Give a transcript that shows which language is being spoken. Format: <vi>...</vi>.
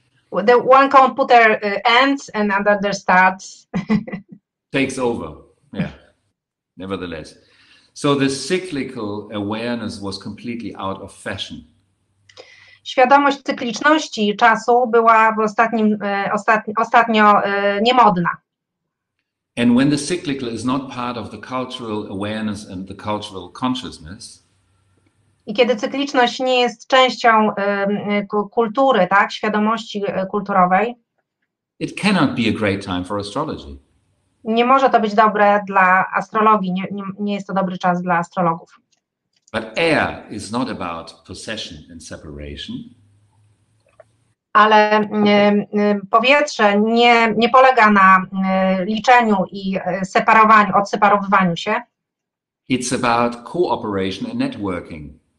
<en>Well, the one computer ends and another starts. Takes over. Yeah. Nevertheless. So the cyclical awareness was completely out of fashion.</en> <pl>Świadomość cykliczności czasu była w ostatnim, ostatnio niemodna.</pl> <en>And when the cyclical is not part of the cultural awareness and the cultural consciousness,</en> <pl>i kiedy cykliczność nie jest częścią kultury, tak, świadomości kulturowej,</pl> <en>it cannot be a great time for astrology.</en> <pl>Nie może to być dobre dla astrologii, nie jest to dobry czas dla astrologów.</pl> <en>But air is not about possession and separation.</en> <pl>Ale powietrze nie polega na liczeniu i separowaniu, odseparowywaniu się.</pl> <en>It's about cooperation and networking.</en>